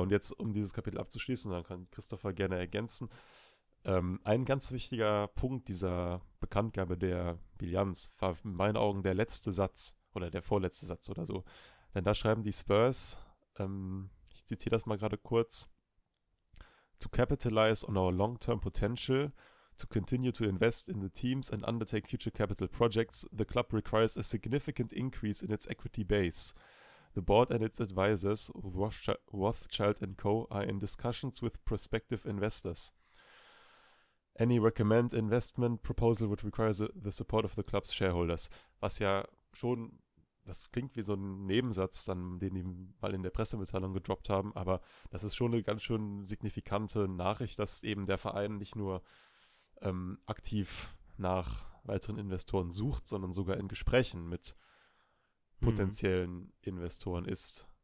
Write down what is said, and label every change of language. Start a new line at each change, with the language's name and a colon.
German: Und jetzt, um dieses Kapitel abzuschließen, dann kann Christopher gerne ergänzen. Ein ganz wichtiger Punkt dieser Bekanntgabe der Bilanz war in meinen Augen der letzte Satz oder der vorletzte Satz oder so. Denn da schreiben die Spurs, ich zitiere das mal gerade kurz,
English: to capitalize on our long-term potential, to continue to invest in the teams and undertake future capital projects, the club requires a significant increase in its equity base. The board and its advisors, Rothschild & Co., are in discussions with prospective investors. Any recommend investment proposal would require the support of the club's shareholders.
German: Was ja schon, das klingt wie so ein Nebensatz, dann, den die mal in der Pressemitteilung gedroppt haben, aber das ist schon eine ganz schön signifikante Nachricht, dass eben der Verein nicht nur aktiv nach weiteren Investoren sucht, sondern sogar in Gesprächen mit potenziellen Investoren ist.